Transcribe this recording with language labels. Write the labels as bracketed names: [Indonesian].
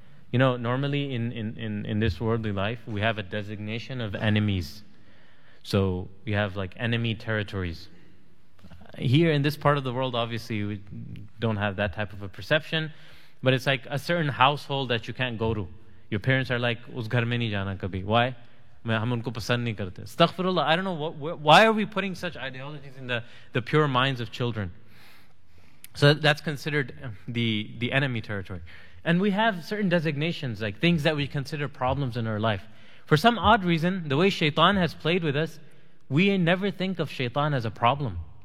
[English] You know, normally in this worldly life, we have a designation of enemies. So we have like enemy territories. Here in this part of the world, obviously, we don't have that type of a perception. But it's like a certain household that you can't go to. Your parents are like, [Urdu] اس گھر میں نہیں جانا کبھی. [English] Why? [Urdu] میں ہم ان کو پسند نہیں کرتے. [Arabic] Astaghfirullah. [English] I don't know, why are we putting such ideologies in the pure minds of children? So that's considered the enemy territory. And we have certain designations, like things that we consider problems in our life. For some odd reason, the way shaitan has played with us, we never think of shaitan as a problem.